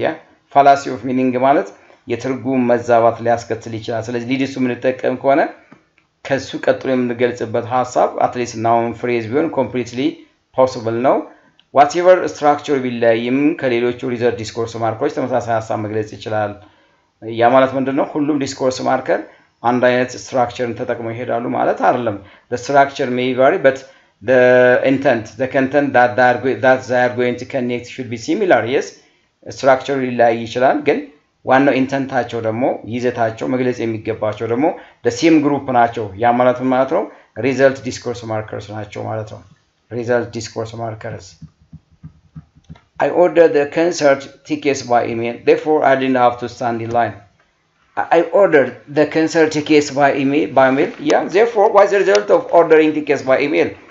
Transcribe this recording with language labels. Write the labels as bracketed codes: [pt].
[am] Yeah, [en] fallacy of meaning [am] ማለት የትርጉም መዛባት ሊያስከትል ይችላል። ስለዚህ leads to የምንጠቀም ከሆነ ከሱ ቀጥሎ የምንገልጽበት ሐሳብ [en] at least noun phrase [am] ቢሆን [en] completely possible [am] ነው. Whatever structure ቢለይም ከሌሎቹ [en] reserved discourse markers [am] ተመሳሳይ ሐሳብ መግለጽ ይችላል። ያ ማለት ምንድነው? ሁሉም discourse marker አንድ አይነት structure ተጠቅመው ይሄዳሉ ማለት አይደለም. [en] The structure may vary but the content that they are going to connect should be similar. [am] Yes, structure ሊለያይ ይችላል ግን ዋናው ኢንተንታቸው ደግሞ ይዘታቸው መግለጽ የሚገባቸው ደግሞ [en] the same group [am] ናቸው. ያ ማለት ምን ማለት ነው? [en] Result discourse markers [am] ናቸው ማለት ነው. [en] Result discourse markers. I ordered the concert tickets by email, therefore I didn't have to stand in line. I ordered the concert tickets by email. Yeah, therefore what's the result of ordering tickets by email?